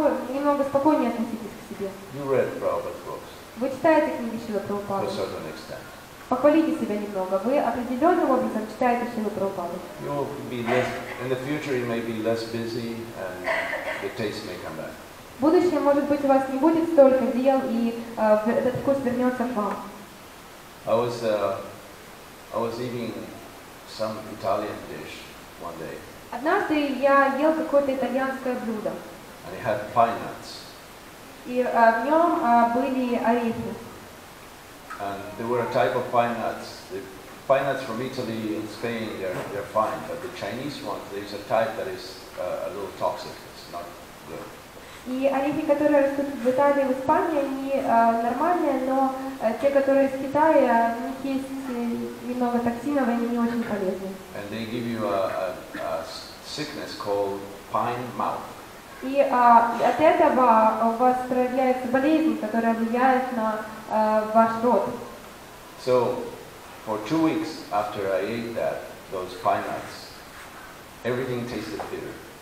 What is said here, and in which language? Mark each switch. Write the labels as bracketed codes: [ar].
[ru] Немного спокойнее относитесь к себе. [en] You read Prabhupada's books. [ru] Вы читаете книги Шрилы Прабхупады. [en] To a certain extent. [ru] Похвалите себя немного. Вы определенным образом читаете Шрилу Прабхупаду. [en] You will be less, in the future you may be less busy and the taste may come back. [ru] В будущем, может быть, у вас не будет столько дел, и этот вкус вернется к вам. [en] I was eating some Italian dish one day. [ru] Однажды я ел какое-то итальянское блюдо. [en] And it had pine nuts. [ru] И в нем были орехи. [en] And there were a type of pine nuts. The pine nuts from Italy and Spain, they're fine, but the Chinese ones, there's a type that is a little toxic. It's not good. [ru] И орехи, которые растут в Италии и в Испании, они нормальные, но те, которые из Китая, у них есть немного токсинов, они не очень полезны. [en] And they give you a sickness called pine mouth. [ru] И от этого у вас проявляется болезнь, которая влияет на ваш рот. [en] So, for 2 weeks after I ate that, those pine nuts, everything tasted bitter.